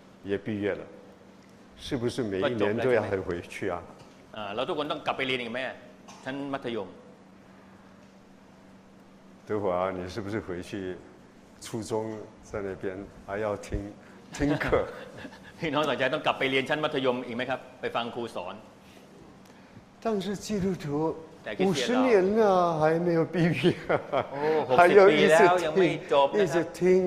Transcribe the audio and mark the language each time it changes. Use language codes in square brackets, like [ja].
[zh] 也毕业了，是不是每一年都要还回去啊？ [th] เราทุกคนต้องกลับไปเรียนอีกไหมชั้นมัธยม？ [zh] 德华，你是不是回去初中在那边还要听课？ [th] พี่น้องสนใจต้องกลับไปเรียนชั้นมัธยมอีกไหมครับไปฟังครูสอน？ [zh] 但是基督徒50年了还没有毕业，还要一直听，一直听，